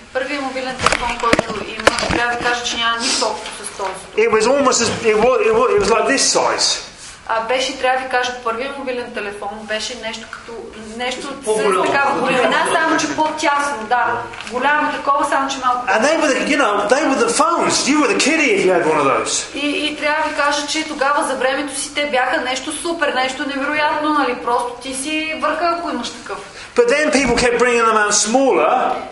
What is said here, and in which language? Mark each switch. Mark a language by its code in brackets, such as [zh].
[bg] Първият мобилен телефон, който имах, трябва да кажа, че няма нищо общо с този. [en] It was like this size. [bg] Беше, трябва да ви кажа, първият мобилен телефон беше нещо като нещо от такава големина, само че по-тясно, да. Голямо такова, само че малко. [en] And they were the, you know, they were the phones. You were the kiddie if you had one of those. [bg] И трябва да ви кажа, че тогава за времето си те бяха нещо супер, нещо невероятно, нали? Просто ти си върха, ако имаш такъв. [en] But then people kept bringing them out smaller.